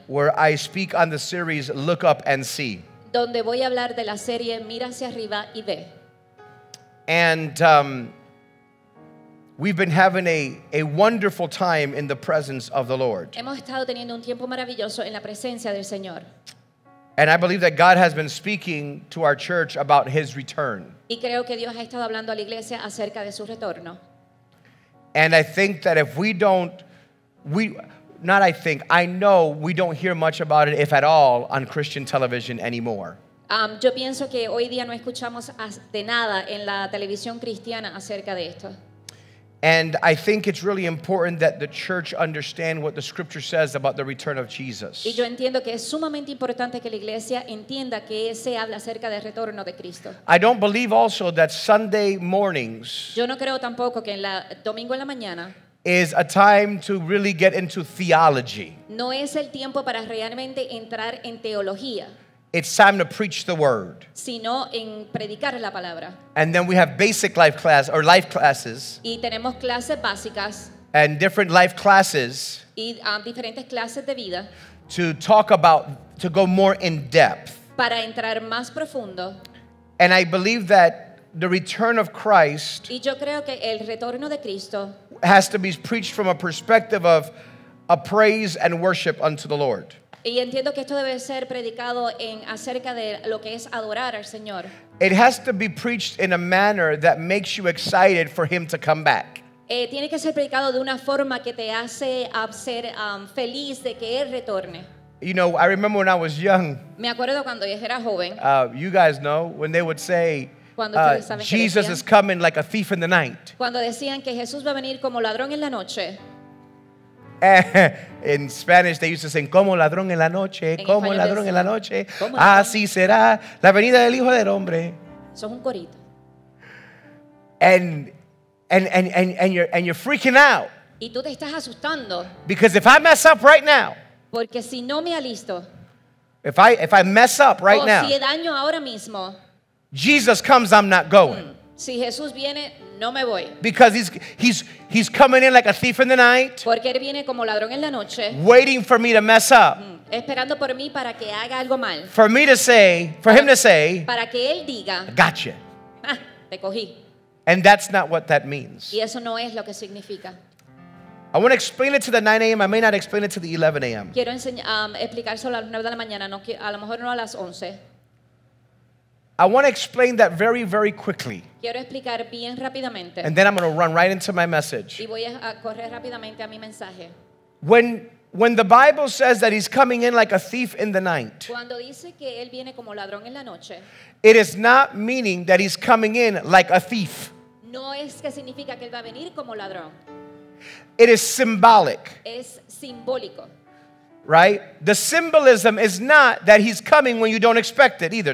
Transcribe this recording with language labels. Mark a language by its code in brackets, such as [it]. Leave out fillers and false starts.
[en] where I speak on the series Look Up and See. [es] Donde voy a hablar de la serie Mira hacia arriba y ve. [en] And we've been having a wonderful time in the presence of the Lord. [es] Hemos estado teniendo un tiempo maravilloso en la presencia del Señor. [en] And I believe that God has been speaking to our church about his return. [es] Y creo que Dios ha estado hablando a la iglesia acerca de su retorno. [en] And I think that if we don't I know we don't hear much about it, if at all, on Christian television anymore. [es] Yo pienso que hoy día no escuchamos de nada en la televisión cristiana acerca de esto. [en] And I think it's really important that the church understand what the scripture says about the return of Jesus. [es] Y yo entiendo que es sumamente importante que la iglesia entienda que se habla acerca del retorno de Cristo. [en] I don't believe also that Sunday mornings [es] yo no creo tampoco que en la domingo en la mañana [en] is a time to really get into theology. [es] No es el tiempo para realmente entrar en teología. [en] It's time to preach the word. [es] Sino en predicar la palabra. [en] And then we have basic life class or life classes. [es] Y tenemos clases básicas. [en] And different life classes. [es] Y diferentes clases de vida. [en] To talk about, to go more in depth. [es] Para entrar más profundo. [en] And I believe that the return of Christ. [es] Y yo creo que el retorno de Cristo [en] has to be preached from a perspective of a praise and worship unto the Lord. [es] Y entiendo que esto debe ser predicado en acerca de lo que es adorar al Señor. [en] It has to be preached in a manner that makes you excited for him to come back. [es] Tiene que ser predicado de una forma que te hace ser feliz de que él retorne. [en] You know, I remember when I was young. [es] Me acuerdo cuando yo era joven. [en] You guys know when they would say Jesus is coming like a thief in the night. [es] Cuando decían que Jesús va a venir como ladrón en la noche. [en] In Spanish, they used to sing [es] como ladrón en la noche, [en] como ladrón en la noche. [es] Así será la venida del Hijo del Hombre. Son un corito. [en] And you're freaking out. [es] Y tú te estás asustando. [en] Because if I mess up right now. [es] Porque si no me alisto. [en] If I mess up right now. [es] O si daño ahora mismo. [en] Jesus comes, I'm not going. [es] Si Jesús viene, no me voy. [en] Because he's coming in like a thief in the night. [es] Porque él viene como ladrón en la noche. [en] Waiting for me to mess up. [es] Esperando por mí para que haga algo mal. [en] For me to say, for him to say, [es] para que él diga, [en] gotcha. [es] Te cogí. [en] And that's not what that means. [es] Y eso no es lo que significa. [en] I want to explain it to the 9 a.m. I may not explain it to the 11 a.m. [es] Quiero explicárselo a las 9 de la mañana, no, a lo mejor no a las 11. [en] I want to explain that very, very quickly. [es] Quiero explicar bien rápidamente. [en] And then I'm going to run right into my message. [es] Y voy a correr rápidamente a mi mensaje. [en] When the Bible says that he's coming in like a thief in the night, [es] cuando dice que él viene como ladrón en la noche, [en] it is not meaning that he's coming in like a thief. [es] No es que significa que él va a venir como ladrón. [en] It is symbolic. [es] Es simbólico. [en] Right? The symbolism is not that he's coming when you don't expect it either.